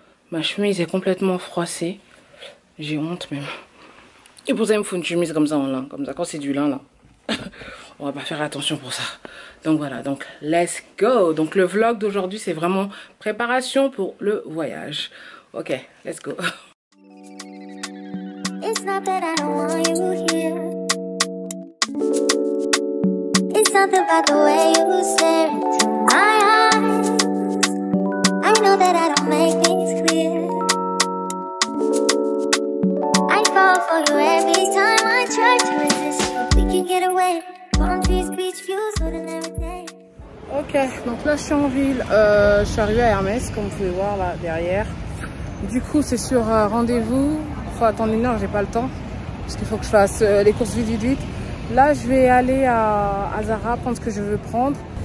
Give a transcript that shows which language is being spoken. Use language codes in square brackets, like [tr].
[fr] Ma chemise est complètement froissée. J'ai honte même. Et pour ça, il me faut une chemise comme ça en lin. Comme ça, quand c'est du lin, là. On va pas faire attention pour ça. Donc voilà, donc [en] let's go. [fr] Donc le vlog d'aujourd'hui, c'est vraiment préparation pour le voyage. [en] Ok, let's go. It's not that I don't want you here. It's something about the way you stare into my eyes. I know that I don't make things clear. I fall for you every time I try to resist. We can get away. Palm trees, beach views, ordinary day. [fr] Ok, donc là je suis en ville, je suis arrivée à Hermès comme vous pouvez voir là derrière. Du coup c'est sur rendez-vous. Faut attendre une heure, j'ai pas le temps parce qu'il faut que je fasse les courses vite. Là je vais aller à Zara prendre ce que je veux prendre.